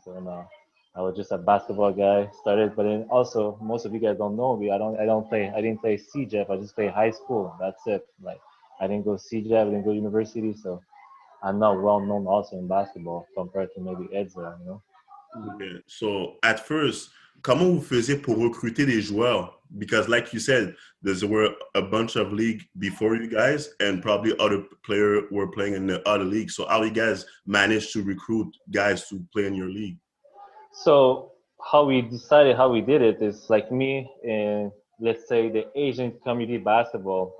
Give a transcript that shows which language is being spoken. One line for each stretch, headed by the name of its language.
English: So no, I was just a basketball guy, started. But then also, most of you guys don't know me. I didn't play CJF. I just played high school. That's it. Like, I didn't go CJF. I didn't go to university. So I'm not well-known also in basketball compared to maybe Edzer, you know? Okay. So at first,
French: comment vous faisiez pour recruter des joueurs?
English: Because like you said, there were a bunch of leagues before you guys and probably other players were playing in the other leagues. So how you guys managed to recruit guys to play in your league? So how we did it is like me in, let's say, the Asian community basketball.